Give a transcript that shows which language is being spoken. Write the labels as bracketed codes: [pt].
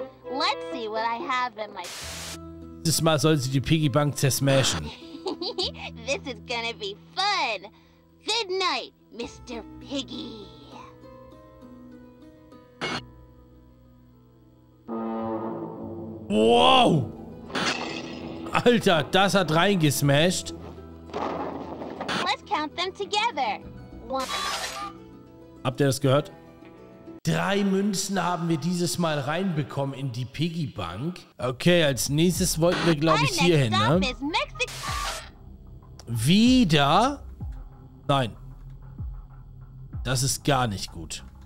[en] Let's see what I have in my... [de] Dieses Mal soll sie die Piggybank zersmashen. [en] This is gonna be fun. Good night, Mr. Piggy. [de] Wow! Alter, das hat reingesmashed. [en] Let's count them together. One. [de] Habt ihr das gehört? 3 Münzen haben wir dieses Mal reinbekommen in die Piggy Bank. Okay, als nächstes wollten wir, glaube ich, hier hin, ne? Wieder? Nein. Das ist gar nicht gut.